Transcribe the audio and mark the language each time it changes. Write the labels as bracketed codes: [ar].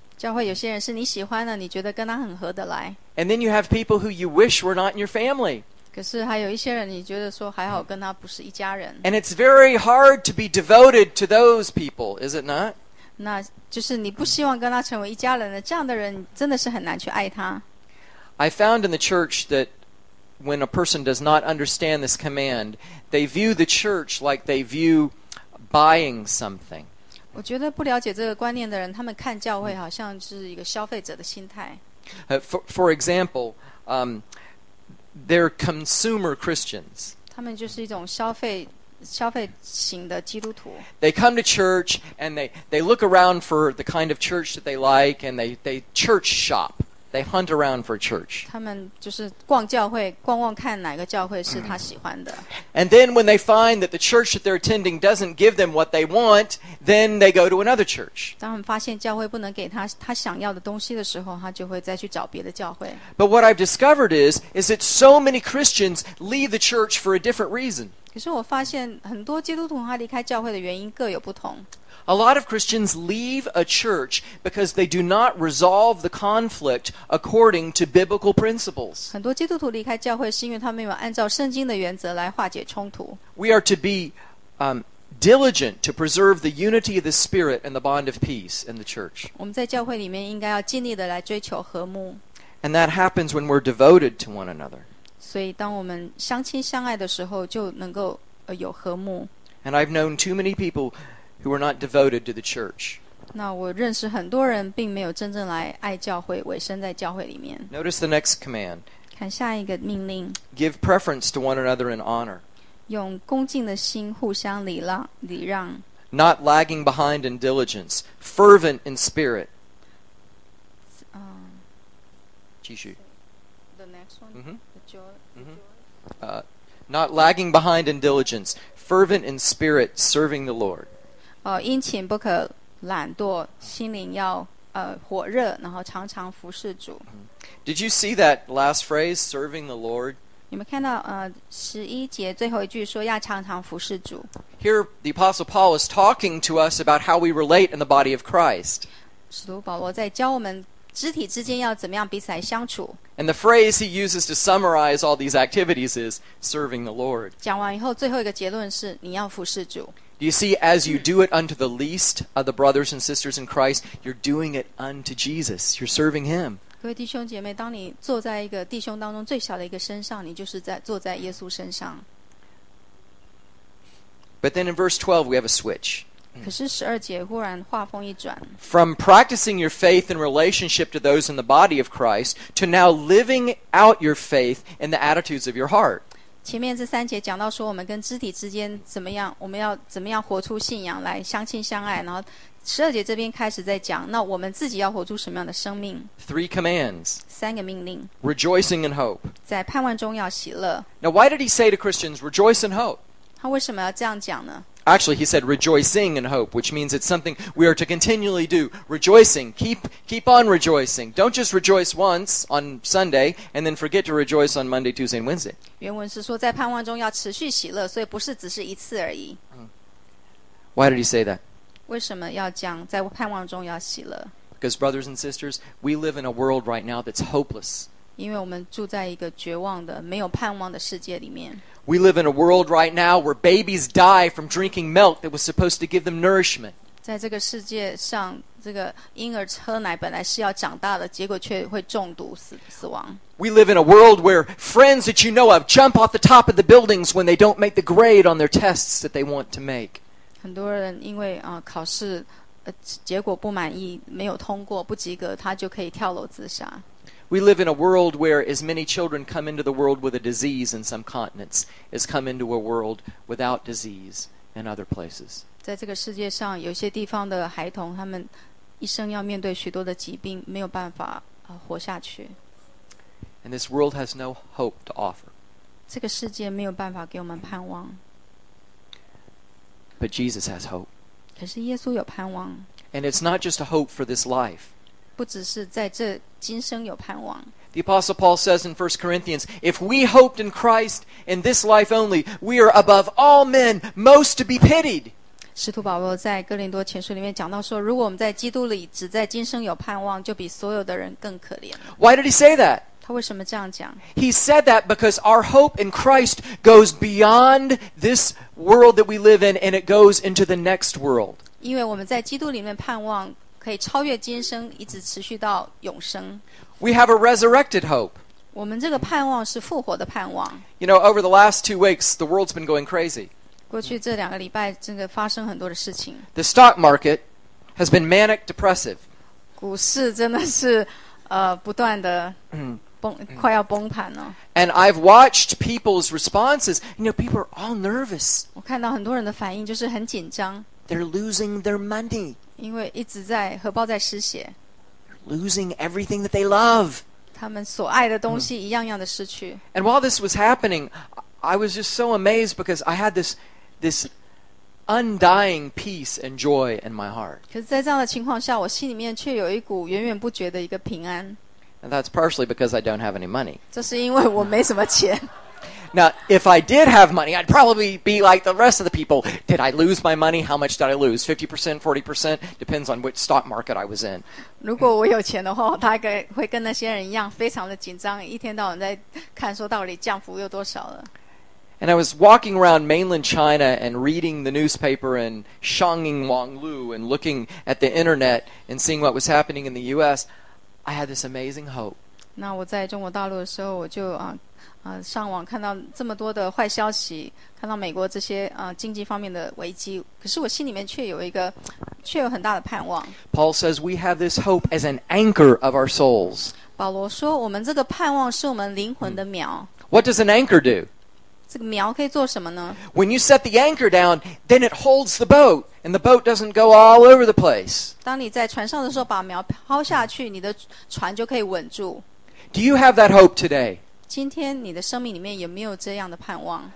[zh] 教会有些人是你喜欢的，你觉得跟他很合得来。 [en] And then you have people who you wish were not in your family. [zh] 可是还有一些人，你觉得说还好跟他不是一家人。 [en] And it's very hard to be devoted to those people, is it not? [zh] 那就是你不希望跟他成为一家人的，这样的人真的是很难去爱他。 [en] I found in the church that when a person does not understand this command, they view the church like they view buying something. [zh] 我觉得不了解这个观念的人，他们看教会好像是一个消费者的心态。 [en] For example, they're consumer Christians. [zh] 他们就是一种消费型的基督徒。 [en] They come to church and they look around for the kind of church that they like and they church shop. They hunt around for a church. [zh] 他们就是逛教会，逛逛看哪个教会是他喜欢的。 [en] And then when they find that the church that they're attending doesn't give them what they want, then they go to another church. [zh] 当他们发现教会不能给他想要的东西的时候，他就会再去找别的教会。 [en] But what I've discovered is that so many Christians leave the church for a different reason. [zh] 可是我发现很多基督徒他离开教会的原因各有不同。 [en] A lot of Christians leave a church because they do not resolve the conflict according to biblical principles. [zh] 很多基督徒离开教会是因为他们没有按照圣经的原则来化解冲突。 [en] We are to be diligent to preserve the unity of the Spirit and the bond of peace in the church. [zh] 我们在教会里面应该要尽力的来追求和睦。 [en] And that happens when we're devoted to one another. [zh] 所以当我们相亲相爱的时候就能够有和睦。 [en] And I've known too many people... who are not devoted to the church. [zh] 那我认识很多人并没有真正来爱教会，委身在教会里面。 [en] Notice the next command. [zh] 看下一个命令。 [en] Give preference to one another in honor. [zh] 用恭敬的心互相礼让。 [en] Not lagging behind in diligence, fervent in spirit. [zh] 继续。 [en] The next one. Mm-hmm. The joy. Not lagging behind in diligence, fervent in spirit, serving the Lord. [zh] 殷勤不可懒惰，心灵要火热，然后常常服侍主。 [en] Did you see that last phrase, serving the Lord? [zh] 你们看到十一节最后一句说要常常服侍主。 [en] Here the Apostle Paul is talking to us about how we relate in the body of Christ. [zh] 使徒保罗在教我们肢体之间要怎么样彼此来相处。 [en] And the phrase he uses to summarize all these activities is serving the Lord. [zh] 讲完以后最后一个结论是你要服侍主。 [en] You see, as you do it unto the least of the brothers and sisters in Christ, you're doing it unto Jesus. You're serving Him. [zh] 各位弟兄姐妹，当你坐在一个弟兄当中最小的一个身上，你就是在坐在耶稣身上。 [en] But then in verse 12, we have a switch. [zh] 可是十二节忽然话锋一转。 [en] From practicing your faith in relationship to those in the body of Christ, to now living out your faith in the attitudes of your heart. [zh] 前面这三节讲到说我们跟肢体之间怎么样，我们要怎么样活出信仰来相亲相爱，然后十二节这边开始在讲那我们自己要活出什么样的生命。 [en] Three commands. [zh] 三个命令。 [en] Rejoicing in hope. [zh] 在盼望中要喜乐。 [en] Now why did he say to Christians rejoice in hope? [zh] 他为什么要这样讲呢？ [en] Actually he said rejoicing in hope, which means it's something we are to continually do. Rejoicing, keep on rejoicing. Don't just rejoice once on Sunday and then forget to rejoice on Monday, Tuesday and Wednesday. [zh] 原文是说在盼望中要持续喜乐，所以不是只是一次而已。 [en] Why did he say that? [zh] 为什么要讲在盼望中要喜乐？ [en] Because brothers and sisters, we live in a world right now that's hopeless. [zh] 因为我们住在一个绝望的没有盼望的世界里面。 [en] We live in a world right now where babies die from drinking milk that was supposed to give them nourishment. [zh] 在这个世界上，这个婴儿喝奶本来是要长大的，结果却会中毒死亡。 [en] We live in a world where friends that you know of jump off the top of the buildings when they don't make the grade on their tests that they want to make. [zh] 很多人因为考试结果不满意，没有通过，不及格，他就可以跳楼自杀。 [en] We live in a world where as many children come into the world with a disease in some continents as come into a world without disease in other places. [zh] 在这个世界上，有些地方的孩童，他们一生要面对许多的疾病，没有办法活下去。 [en] And this world has no hope to offer. [zh] 这个世界没有办法给我们盼望。 [en] But Jesus has hope. [zh] 可是耶稣有盼望。 [en] And it's not just a hope for this life. [zh] 不只是在这今生有盼望。 [en] The Apostle Paul says in 1 Corinthians, if we hoped in Christ in this life only, we are above all men most to be pitied. [zh] 使徒保罗在哥林多前书里面讲到说，如果我们在基督里只在今生有盼望，就比所有的人更可怜。 [en] Why did he say that? [zh] 他为什么这样讲？ [en] He said that because our hope in Christ goes beyond this world that we live in and it goes into the next world. [zh] 因为我们在基督里面盼望可以超越今生，一直持续到永生。 [en] We have a resurrected hope. [zh] 我们这个盼望是复活的盼望。 [en] You know, over the last 2 weeks, the world's been going crazy. [zh] 过去这两个礼拜，真的发生很多的事情。 [en] The stock market has been manic depressive. [zh] 股市真的是不断的快要崩盘了。 [en] And I've watched people's responses. You know, people are all nervous. [zh] 我看到很多人的反应就是很紧张。 [en] They're losing their money. [zh] 因为一直在荷包在失血。 [en] Losing everything that they love. [zh] 他们所爱的东西一样样的失去。 [en] And while this was happening, I was just so amazed because I had this undying peace and joy in my heart. [zh] 可是在这样的情况下，我心里面却有一股源源不绝的一个平安。 [en] And that's partially because I don't have any money. [zh] 这是因为我没什么钱。 [en] Now, if I did have money, I'd probably be like the rest of the people. Did I lose my money? How much did I lose? 50%, 40%? Depends on which stock market I was in. [zh] 如果我有钱的话，我大概会跟那些人一样，非常的紧张，一天到晚在看说到底降幅有多少了。 [en] And I was walking around mainland China and reading the newspaper and Shanging Wanglu and looking at the internet and seeing what was happening in the U.S. I had this amazing hope. [zh] 那我在中国大陆的时候，我就上网看到这么多的坏消息，看到美国这些经济方面的危机，可是我心里面却有很大的盼望。 [en] Paul says we have this hope as an anchor of our souls. [zh] 保罗说，我们这个盼望是我们灵魂的锚。 [en] What does an anchor do? [zh] 这个锚可以做什么呢？ [en] When you set the anchor down, then it holds the boat, and the boat doesn't go all over the place. [zh] 当你在船上的时候把锚抛下去，你的船就可以稳住。 [en] Do you have that hope today? [zh] 今天你的生命里面有没有这样的盼望？